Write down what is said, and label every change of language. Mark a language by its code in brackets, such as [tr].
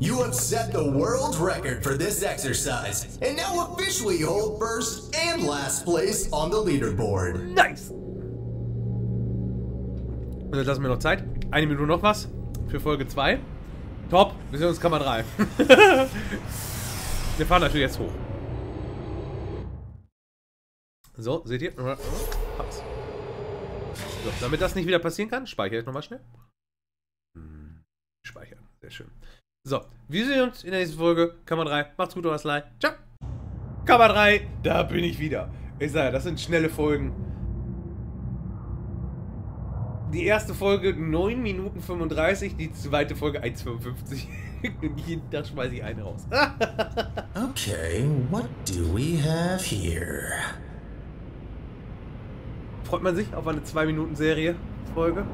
[en] You have set the world record for this exercise and now officially hold first and last place on the leaderboard. Nice! [de] Und jetzt lassen wir noch Zeit. Eine Minute noch was für Folge 2. Top! Wir sehen uns Kamera 3. Wir fahren natürlich jetzt hoch. So, seht ihr? Hab's. So, damit das nicht wieder passieren kann, speichere ich nochmal schnell. Speichern, sehr schön. So, wir sehen uns in der nächsten Folge. Kamera 3, macht's gut, euer Sly. Ciao. Kamera 3, da bin ich wieder. Ich sage, das sind schnelle Folgen. Die erste Folge 9 Minuten 35, die zweite Folge 1,55. Jeden Tag schmeiße ich eine raus. [en] Okay, what do we have here? [de] Freut man sich auf eine 2-Minuten-Serie-Folge?